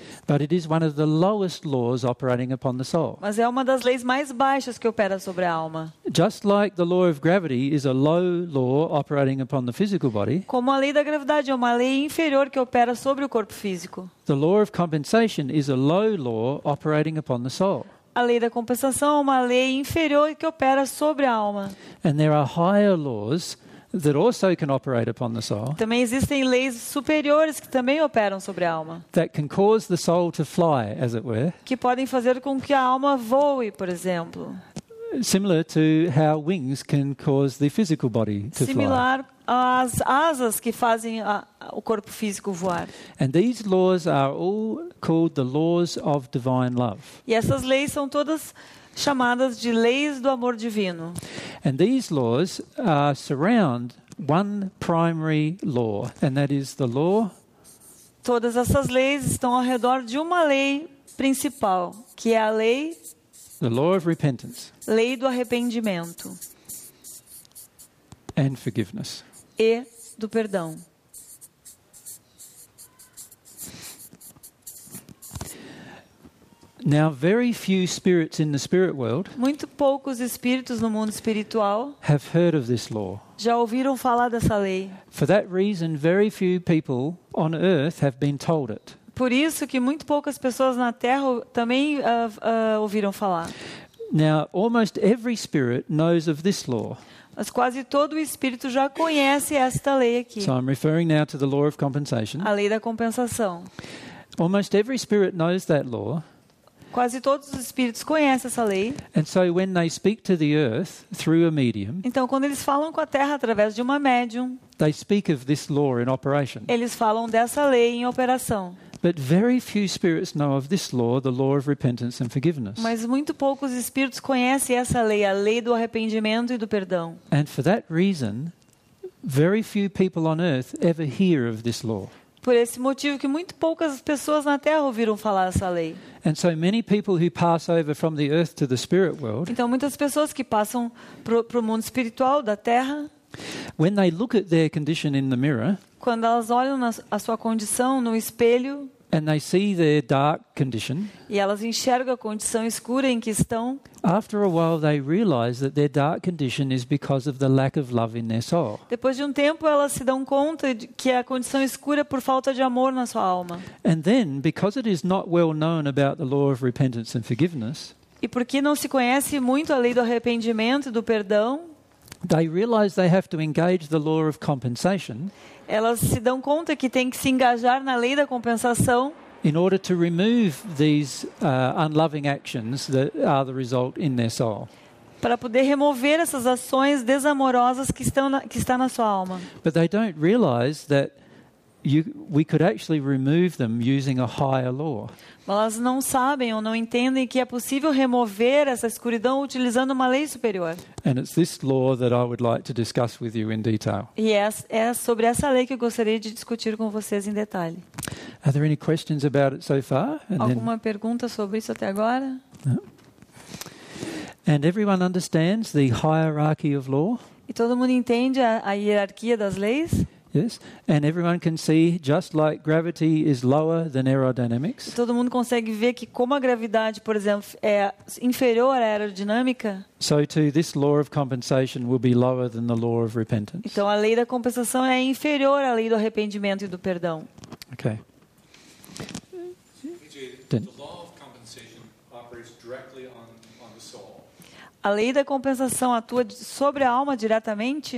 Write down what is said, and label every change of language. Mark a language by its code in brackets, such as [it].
[en] But it is one of the lowest laws operating upon the soul. [pt] Mas é uma das leis mais baixas que opera sobre a alma. [en] Just like the law of gravity is a low law operating upon the physical body. [pt] Como a lei da gravidade é uma lei inferior que opera sobre o corpo físico. [en] The law of compensation is a low law operating upon the soul. [pt] A lei da compensação é uma lei inferior que opera sobre a alma. [en] And there are higher laws that also can operate upon the soul. [pt] Também existem leis superiores que também operam sobre a alma. [en] That can cause the soul to fly, as it were. [pt] Que podem fazer com que a alma voe, por exemplo. [en] Similar to how wings can cause the physical body to fly. [pt] Similar às asas que fazem o corpo físico voar. [en] And these laws are all called the laws of divine love. [pt] E essas leis são todas chamadas de leis do amor divino. [en] And these laws surround one primary law, and that is the law. [pt] Todas essas leis estão ao redor de uma lei principal, que é a lei. [en] The law of repentance. [pt] Lei do arrependimento. [en] And forgiveness. [pt] E do perdão. [en] Now, very few spirits in the spirit world. [pt] Muito poucos espíritos no mundo espiritual. [en] Have heard of this law. [pt] Já ouviram falar dessa lei? [en] For that reason, very few people on earth have been told it. [pt] Por isso que muito poucas pessoas na Terra também ouviram falar. [en] Now, almost every spirit knows of this law. [pt] Mas quase todo espírito já conhece esta lei aqui. [en] So I'm referring now to the law of compensation. [pt] A lei da compensação. [en] Almost every spirit knows that law. [pt] Quase todos os espíritos conhecem essa lei. [en] And so when they speak to the earth through a medium, [pt] então, quando eles falam com a Terra através de uma médium, [en] they speak of this law in operation. [pt] Eles falam dessa lei em operação. [en] But very few spirits know of this law, the law of repentance and forgiveness. [pt] Mas muito poucos espíritos conhecem essa lei, a lei do arrependimento e do perdão. [en] And for that reason, very few people on earth ever hear of this law. [pt] Por esse motivo que muito poucas pessoas na Terra ouviram falar essa lei. [en] And so many people who pass over from the earth to the spirit world. [pt] Então muitas pessoas que passam pro mundo espiritual da Terra. [en] When they look at their condition in the mirror. [pt] Quando elas olham a sua condição no espelho. [en] And they see their dark condition. [pt] E elas enxergam a condição escura em que estão. [en] After a while they realize that their dark condition is because of the lack of love in their soul. [pt] Depois de tempo elas se dão conta de que a condição escura é por falta de amor na sua alma. [en] And then because it is not well known about the law of repentance and forgiveness. [pt] E porque não se conhece muito a lei do arrependimento e do perdão. [en] They realize they have to engage the law of compensation. [pt] Elas se dão conta que têm que se engajar na lei da compensação. [en] In order to remove these unloving actions that are the result in their soul. [pt] Para poder remover essas ações desamorosas que estão na sua alma. [en] But they don't realize that we could actually remove them using a higher law. [pt] Elas não sabem ou não entendem que é possível remover essa escuridão utilizando uma lei superior. [en] And it's this law that I would like to discuss with you in detail. [pt] Yes, é sobre essa lei que eu gostaria de discutir com vocês em detalhe. [en] Are there any questions about it so far? [pt] Alguma pergunta sobre isso até agora? [en] And everyone understands the hierarchy of law? [pt] E todo mundo entende a hierarquia das leis? [en] Yes, and everyone can see just like gravity is lower than aerodynamics. [pt] Todo mundo consegue ver que como a gravidade, por exemplo, é inferior à aerodinâmica. [en] So too, this law of compensation will be lower than the law of repentance. [pt] Então a lei da compensação é inferior à lei do arrependimento e do perdão. [en] Okay. The law of compensation operates directly on the soul. [pt] A lei da compensação atua sobre a alma diretamente?